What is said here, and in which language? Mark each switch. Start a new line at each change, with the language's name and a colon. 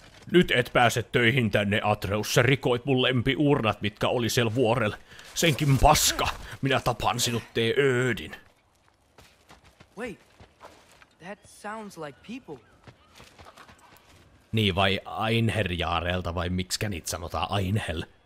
Finnish: Nyt et pääse töihin tänne, Atreus. Sä rikoit mun lempiurnat, mitkä oli siellä vuorella. Senkin paska. Minä tapan sinut, Teödin.
English: Wait. That sounds like people.
Finnish: Niin, vai Einherjaarelta, vai miksikä niitä sanotaan Einhel?